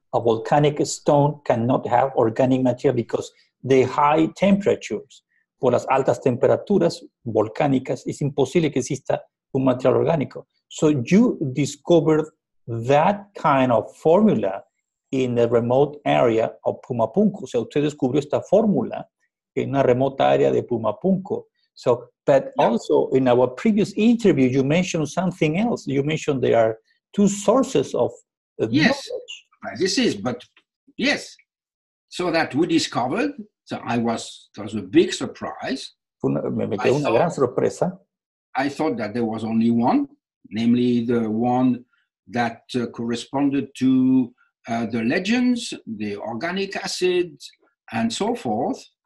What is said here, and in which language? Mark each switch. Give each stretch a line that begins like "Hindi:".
English: A volcanic stone cannot have organic material because the high temperatures,
Spanish: por las altas temperaturas volcánicas, es imposible que exista un material orgánico.
English: So you discovered that kind of formula in the remote area of Pumapunku.
Spanish: O sea, usted descubrió esta fórmula en una remota área de Pumapunku.
English: So, but also in our previous interview, you mentioned something else. You mentioned there are two sources of yes, knowledge. This is, but yes. So that we discovered, so I was, it was a big surprise. I thought that there was only one, namely the one that corresponded to the legends, the organic acids, and so forth.